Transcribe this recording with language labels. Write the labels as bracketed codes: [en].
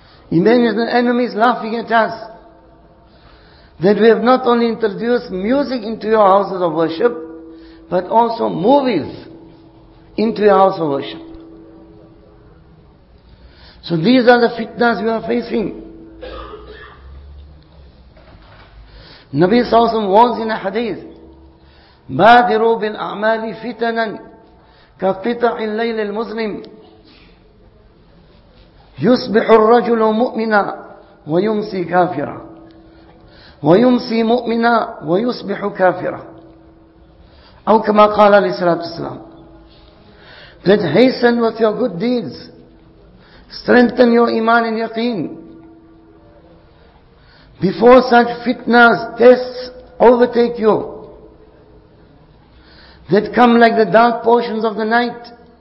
[en] Imagine the enemies laughing at us that we have not only introduced music into your houses of worship, but also movies into your house of worship. So these are the fitnas we are facing. Nabi Sallallahu Alaihi Wasallam warns in a hadith, [ar] بادروا بالأعمال فتنا كقطع الليل المظلم يصبح الرجل مؤمنا ويمسي كافرا ويمسي مؤمنا ويصبح كافرا. أو كما قال عليه الصلاة والسلام, [en] that hasten with your good deeds, strengthen your iman and yaqeen before such fitnas, tests overtake you that come like the dark portions of the night.